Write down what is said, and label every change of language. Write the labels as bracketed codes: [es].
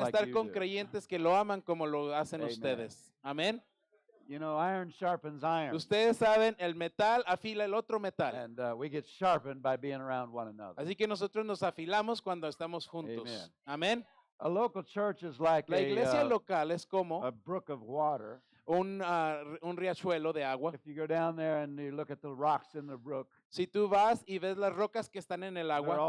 [es] Pero también estar con creyentes que lo aman como lo hacen ustedes. Amén. [en] You know, iron sharpens iron. [es] Ustedes saben, el metal afila el otro metal. [en] And we get sharpened by being around one another. [es] Así que nosotros nos afilamos cuando estamos juntos. Amén. [en] A local church is like [es] la iglesia local es como [en] a brook of water. [es] Un riachuelo de agua. [en] If you go down there and you look at the rocks in the brook. [es] Si tú vas y ves las rocas que están en el agua,